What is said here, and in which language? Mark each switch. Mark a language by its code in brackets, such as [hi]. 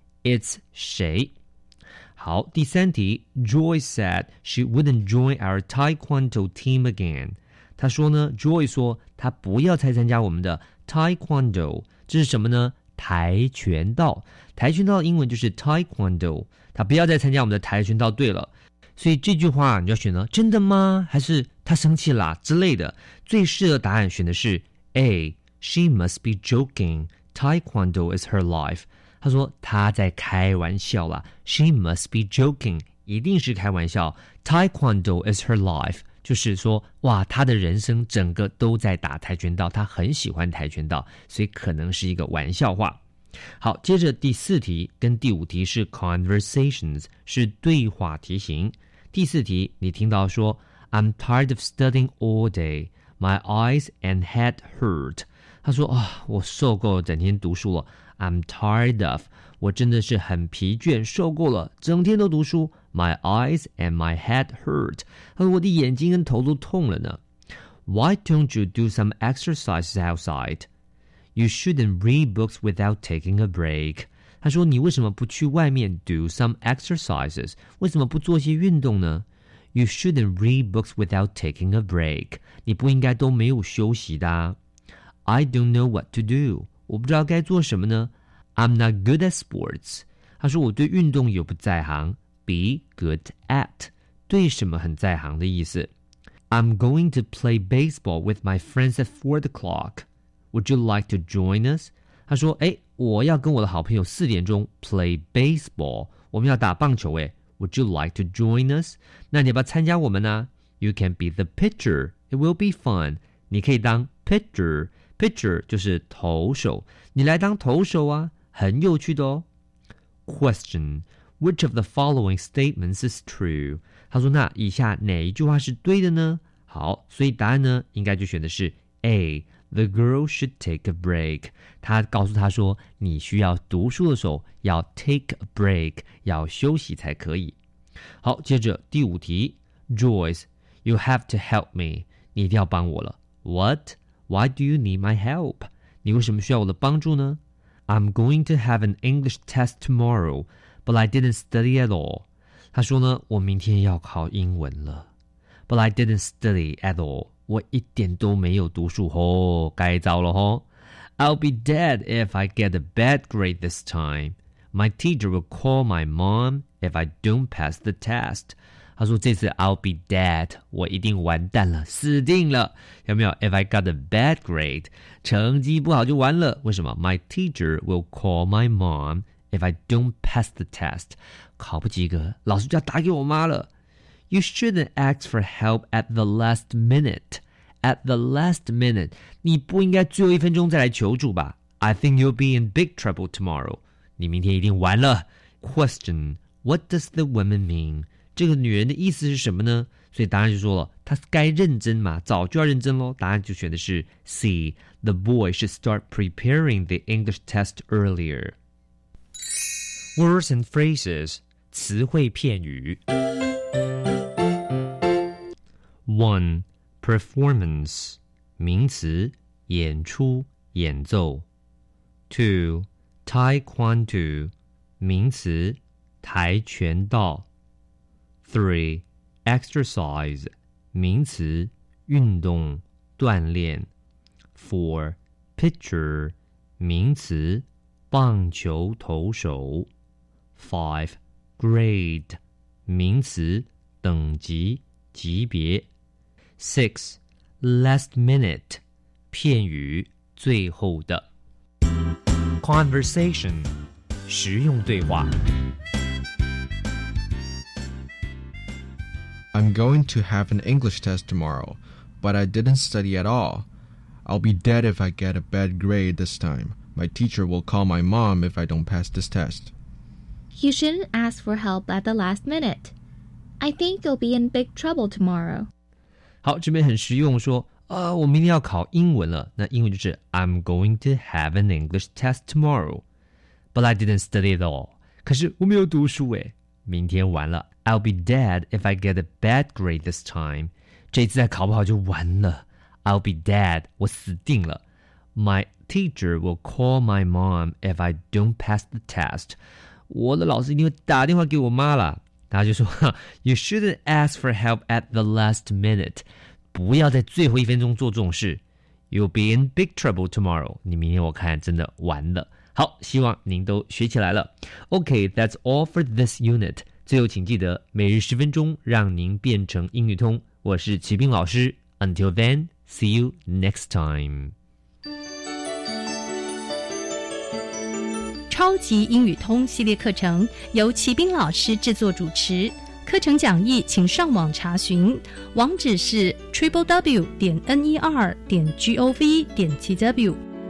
[zh] It's 谁好第三题 [en] Joy said she wouldn't join our taekwondo team again [zh] 她说呢 Joy 说她不要再参加我们的 taekwondo 这是什么呢跆拳道跆拳道的英文就是 taekwondo 她不要再参加我们的跆拳道队了所以这句话你要选择真的吗还是他生气了之类的最适合的答案选的是 A. [en] She must be joking. Taekwondo is her life. [zh] 他说他在开玩笑了 [en] She must be joking. [zh] 一定是开玩笑 [en] Taekwondo is her life. [zh] 就是说哇他的人生整个都在打跆拳道他很喜欢跆拳道所以可能是一个玩笑话。好接着第四题跟第五题是 conversations 是对话题型第四题你听到说 [en] I'm tired of studying all day My eyes and head hurt [zh] 他说、哦、我受够了整天读书了 [en] I'm tired of. [zh] 我真的是很疲倦，受够了，整天都读书。 [en] My eyes and my head hurt. [zh] 我的眼睛跟头都痛了呢。 [en] Why don't you do some exercises outside? You shouldn't read books without taking a break. [zh] 他说你为什么不去外面 [en] do some exercises? [zh] 为什么不做些运动呢？ [en] You shouldn't read books without taking a break. [zh] 你不应该都没有休息的、啊。 [en] I don't know what to do. [zh] 我不知道该做什么呢。 [en] I'm not good at sports. [zh] 他说我对运动也不在行。 [en] Be good at. [zh] 对什么很在行的意思。 [en] I'm going to play baseball with my friends at 4 o'clock. Would you like to join us? [zh] 他说诶我要跟我的好朋友四点钟 [en] play baseball. [zh] 我们要打棒球诶。 [en] Would you like to join us? [zh] 那你要不要参加我们呢? [en] You can be the pitcher. It will be fun. [zh] 你可以当 pitcher. Pitcher 就是投手。你来当投手啊,很有趣的哦。 [en] Question. Which of the following statements is true? [zh] 他说那以下哪一句话是对的呢?好,所以答案呢,应该就选的是 A. [en] The girl should take a break. [zh] 他告诉他说你需要读书的时候要 [en] take a break, [zh] 要休息才可以。好,接着第五题。 [en] Joyce, you have to help me. [zh] 你一定要帮我了。 [en] What? Why do you need my help? [zh] 你为什么需要我的帮助呢? [en] I'm going to have an English test tomorrow, but I didn't study at all. [zh] 他说呢,我明天要考英文了。 [en] But I didn't study at all. [zh] 我一点都没有读书哦,该糟了哦。 [en] I'll be dead if I get a bad grade this time. My teacher will call my mom if I don't pass the test. [zh] 他说这次 [en] I'll be dead, [zh] 我一定完蛋了死定了。有没有 [en] ?If I got a bad grade, [zh] 成绩不好就完了。为什么 [en] ?My teacher will call my mom if I don't pass the test. [zh] 考不及格老师就要打给我妈了。 [en] You shouldn't ask for help at the last minute. At the last minute, [zh] 你不应该最后一分钟再来求助吧。 [en] I think you'll be in big trouble tomorrow. [zh] 你明天一定完了。 [en] Question, what does the woman mean? [zh] 这个女人的意思是什么呢？所以答案就说了，她该认真嘛，早就要认真咯。答案就选的是 [en] C. The boy should start preparing the English test earlier. Words and phrases. [zh] 词汇片语。 1. Performance. 名词，演出，演奏。2. Taekwondo. 名词，跆拳道。3. Exercise, 名词,运动,锻炼。4. Pitcher, 名词,棒球投手。 5. Grade, 名词,等级,级别。6. Last minute, 片语,最后的。 Conversation, 实用对话。 [en] I'm going to have an English test tomorrow, but I didn't study at all. I'll be dead if I get a bad grade this time. My teacher will call my mom if I don't pass this test. You shouldn't ask for help at the last minute. I think you'll be in big trouble tomorrow. [zh] 好，这边很实用说，我明天要考英文了。那英文就是 [en] I'm going to have an English test tomorrow, but I didn't study at all. [zh] 可是我没有读书耶，明天完了。 [en] I'll be dead if I get a bad grade this time. [zh] 这次再考不好就完了。 [en] I'll be dead, [zh] 我死定了。 [en] My teacher will call my mom if I don't pass the test. [zh] 我的老师一定会打电话给我妈了。他就说 [en] You shouldn't ask for help at the last minute. [zh] 不要在最后一分钟做这种事。 [en] You'll be in big trouble tomorrow. [zh] 你明天我看真的完了。好，希望您都学起来了。 [en] Okay, that's all for this unit. [zh] 最后请记得每日十分钟让您变成英语通。我是齐斌老师。 [en] Until then, see you next time. [zh] 超级英语通系列课程由齐斌老师制作主持。课程讲义请上网查询。网址是 www.ner.gov.tw。